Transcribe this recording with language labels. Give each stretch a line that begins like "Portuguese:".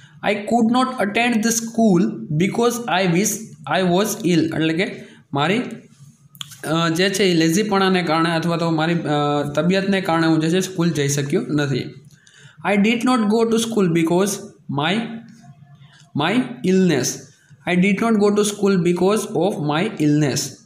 English: I could not attend the school because I was ill.
Gujarati: એટલે કે મારી જે છે એ લેઝીપણાને કારણે અથવા તો મારી તબિયતને કારણે હું જે છે સ્કૂલ જઈ શક્યો નથી.
English: I did not go to school because my illness. I did not go to school because of my illness.